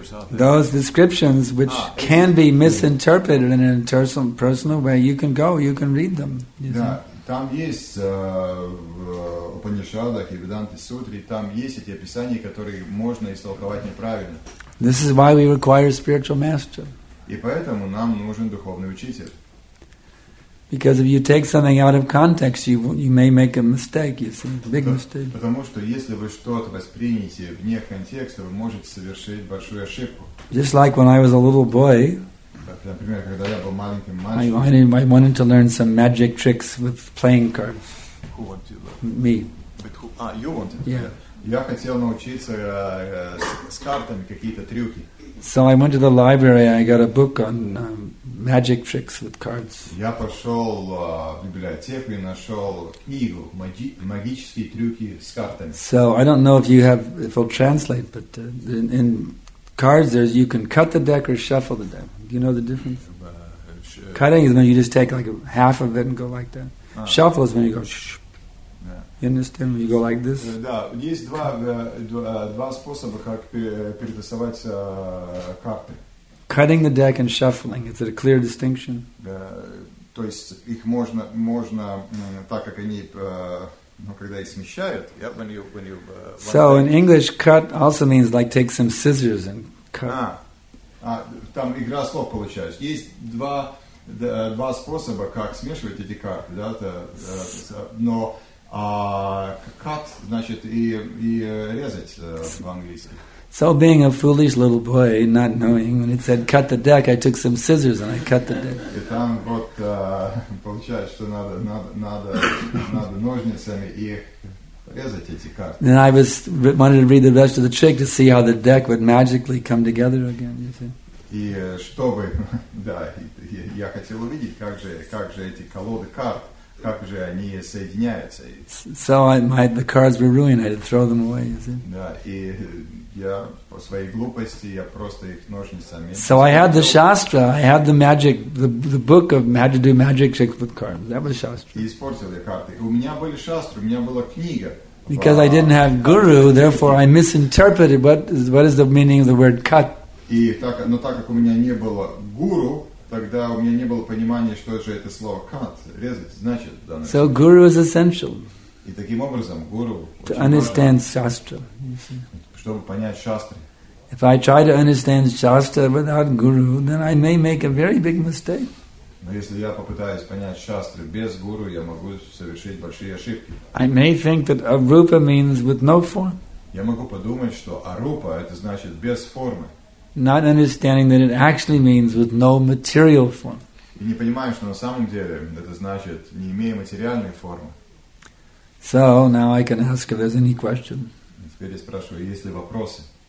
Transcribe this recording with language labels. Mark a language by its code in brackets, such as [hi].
[en] Those descriptions which can be misinterpreted in an interpersonal way, you can go, you can read them. [ru] Там есть в Упанишадах и Веданте Сутре, там есть эти описания, которые можно истолковать неправильно. [en] This is why we require a spiritual master. [ru] И поэтому нам нужен духовный учитель. [en] Because if you take something out of context, you may make a mistake, you see, a big mistake. [ru] Потому что если вы что-то восприняете вне контекста, вы можете совершить большую ошибку. [en] Just like when I was a little boy, [ru] например, когда я был маленьким мальчиком, [en] I wanted to learn some magic tricks with playing cards. Who wanted to learn? Me. But who? Ah, you wanted. Yeah. [ru] Я хотел научиться с картами какие-то трюки. [en] So I went to the library and I got a book on magic tricks with cards. [ru] Я пошел в библиотеку и нашел книгу «Магические трюки с картами». [en] So I don't know if you have, if it'll translate, but in cards there's, you can cut the deck or shuffle the deck. Do you know the difference? Cutting is when you just take like half of it and go like that. Shuffle is when you go shh. You understand? You go like this. [ru] Да, есть два способа, как перетасовать карты. [en] Cutting the deck and shuffling. Is it a clear distinction? [ru] То есть их можно так как они когда их смещают. Yeah, when you. [en] So in English, cut also means like take some scissors and cut. [ru] Там игра слов получается. Есть два способа, как смешивать эти карты, да? Но cut, значит, и резать в английском. [en] So being a foolish little boy, not knowing, when it said cut the deck, I took some scissors and I cut the deck. [ru] И там вот получается, что надо ножницами и резать эти карты. [en] And I was wanted to read the rest of the trick to see how the deck would magically come together again, you see. [ru] И чтобы, да, я хотел увидеть, как же эти колоды карт, как же они соединяются. [en] So the cards were ruined, I had to throw them away, you see. [ru] Да, и я по своей глупости, я просто их ножницами... [en] So I had the Shastra, I had the magic, the book of how to do magic tricks with cards, that was Shastra. [ru] И испортил я карты. У меня были Shastra, у меня была книга. [en] Because I didn't have guru, therefore I misinterpreted what is the meaning of the word cut. [ru] И так, но так как у меня не было гуру, тогда у меня не было понимания, что же это слово cut, резать, значит. [en] So guru is essential. [ru] И таким образом гуру. [en] To understand shastra. [ru] Чтобы понять шастры. [en] If I try to understand shastra without guru, then I may make a very big mistake. [ru] Но если я попытаюсь понять шастры без гуру, я могу совершить большие ошибки. [en] I may think that arupa means with no form. [ru] Я могу подумать, что арупа это значит без формы. [en] Not understanding that it actually means with no material form. [ru] И не понимаешь, что на самом деле это значит не имея материальной формы. [en] So now I can ask if there's any question. [ru] Теперь я спрашиваю, есть ли вопросы?